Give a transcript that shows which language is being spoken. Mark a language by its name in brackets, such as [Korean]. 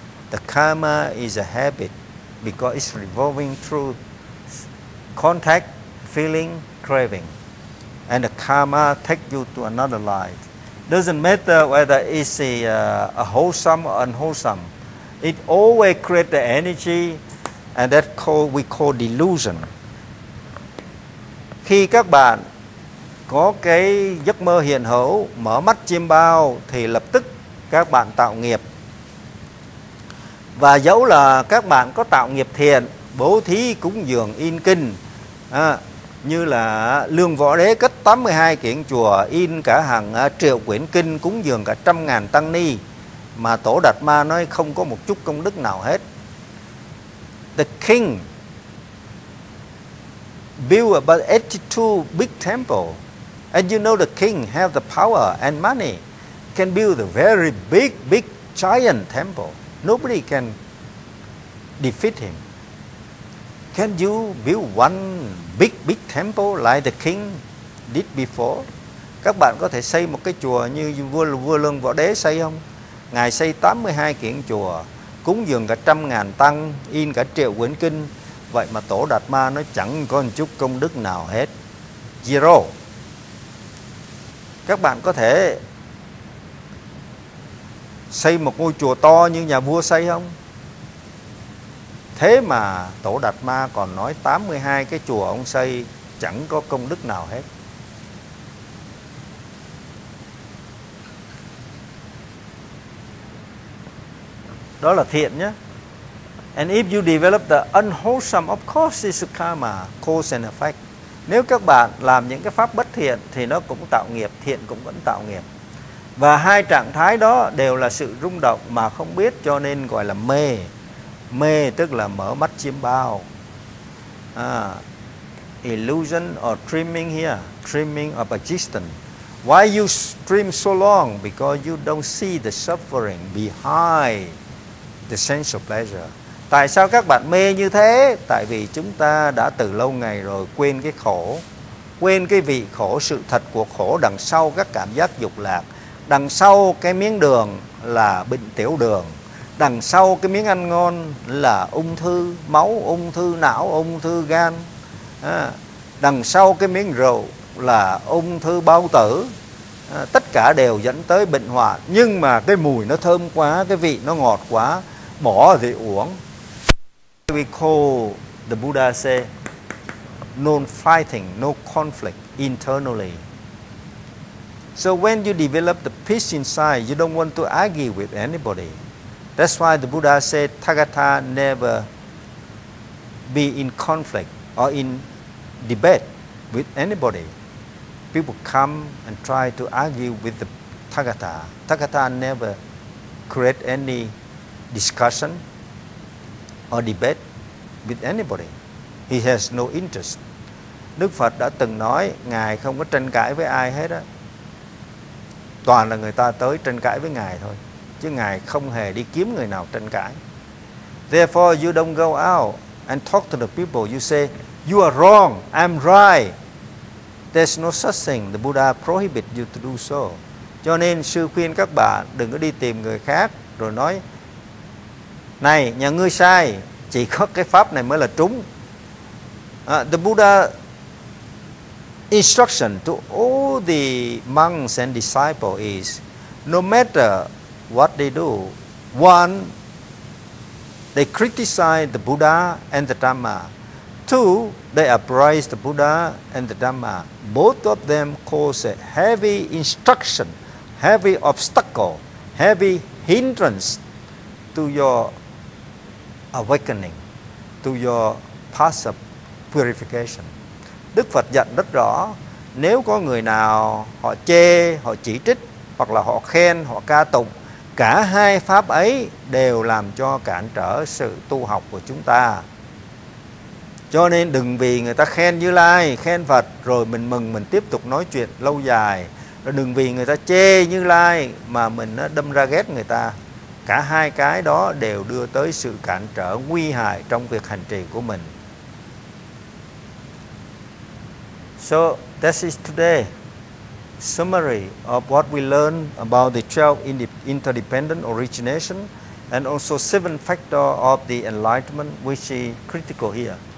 [English] The karma is a habit because it's revolving through contact, feeling, craving. And the karma takes you to another life. Doesn't matter whether it's a wholesome or unwholesome. It always creates the energy, and that we call delusion. [Vietnamese] Khi các bạn có cái giấc mơ hiện hữu, mở mắt chiêm bao, thì lập tức các bạn tạo nghiệp. Và dẫu là các bạn có tạo nghiệp thiện, bố thí cúng dường in kinh, như là Lương Võ Đế cất 82 kiện chùa, in cả hàng triệu quyển kinh, cúng dường cả 100,000 tăng ni, mà Tổ Đạt Ma nói không có một chút công đức nào hết. [English] The king built about 82 big temple. And you know the king have the power and money, can build a very big, big giant temple. Nobody can defeat him. Can you build one big, big temple like the king did before? [Vietnamese] Các bạn có thể xây một cái chùa như vua Lương Võ Đế xây không? Ngài xây 82 kiện chùa, cúng dường cả 100,000 tăng, in cả triệu quyển kinh. Vậy mà Tổ Đạt Ma nó chẳng có một chút công đức nào hết. Zero. Các bạn có thể xây một ngôi chùa to như nhà vua xây không? Thế mà Tổ Đạt Ma còn nói 82 cái chùa ông xây chẳng có công đức nào hết. Đó là thiện nhé. [English] And if you develop the unwholesome, of course it's karma, cause and effect. [Vietnamese] Nếu các bạn làm những cái pháp bất thiện thì nó cũng tạo nghiệp, thiện cũng vẫn tạo nghiệp. Và hai trạng thái đó đều là sự rung động mà không biết, cho nên gọi là mê. Mê tức là mở mắt chiêm bao. [English] Illusion or dreaming here, dreaming of existence. Why you dream so long? Because you don't see the suffering behind the sense of pleasure. [Vietnamese] Tại sao các bạn mê như thế? Tại vì chúng ta đã từ lâu ngày rồi quên cái khổ, quên cái vị khổ, sự thật của khổ đằng sau các cảm giác dục lạc. Đằng sau cái miếng đường là bệnh tiểu đường. Đằng sau cái miếng ăn ngon là ung thư máu, ung thư não, ung thư gan. Đằng sau cái miếng rượu là ung thư bao tử. Tất cả đều dẫn tới bệnh hoạn. Nhưng mà cái mùi nó thơm quá, cái vị nó ngọt quá, bỏ thì uống. [English] We call the Buddha say no fighting, no conflict internally. So when you develop the peace inside, you don't want to argue with anybody. That's why the Buddha said, Thakatha never be in conflict or in debate with anybody. People come and try to argue with the Thakatha. Thakatha never create any discussion or debate with anybody. He has no interest. [Vietnamese] Đức Phật đã từng nói, Ngài không có tranh cãi với ai hết á. Toàn là người ta tới tranh cãi với Ngài thôi, chứ Ngài không hề đi kiếm người nào tranh cãi. [English] Therefore, you don't go out and talk to the people. You say, you are wrong, I'm right. There's no such thing. The Buddha prohibit you to do so. [Vietnamese] Cho nên, sư khuyên các bạn đừng có đi tìm người khác, rồi nói, này, nhà ngươi sai, chỉ có cái pháp này mới là trúng. [English] The Buddha instruction to all the monks and disciples is, no matter what they do, one, they criticize the Buddha and the Dhamma. Two, they appraise the Buddha and the Dhamma. Both of them cause a heavy instruction, heavy obstacle, heavy hindrance to your awakening, to your path of purification. [Vietnamese] Đức Phật dạy rất rõ, nếu có người nào họ chê, họ chỉ trích, hoặc là họ khen, họ ca tụng, cả hai pháp ấy đều làm cho cản trở sự tu học của chúng ta. Cho nên đừng vì người ta khen Như Lai, khen Phật, rồi mình mừng, mình tiếp tục nói chuyện lâu dài. Rồi đừng vì người ta chê Như Lai mà mình đâm ra ghét người ta. Cả hai cái đó đều đưa tới sự cản trở nguy hại trong việc hành trì của mình. [English] So this is today summary of what we learned about the 12 interdependent origination and also 7 factors of the enlightenment, which is critical here.